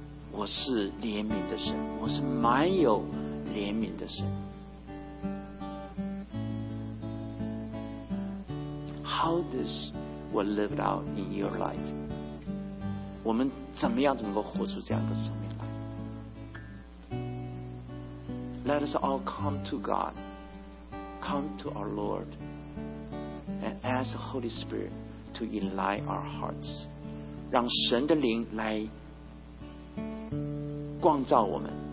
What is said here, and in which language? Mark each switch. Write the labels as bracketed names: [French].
[Chinese] 我是怜悯的神，我是满有怜悯的神。 [English] How this will live out in your life? [Chinese] 我们怎么样子能够活出这样的生命来？ [English] Let us all come to God, come to our Lord, and ask the Holy Spirit. To enlighten our hearts, [Chinese] 让神的灵来光照我们。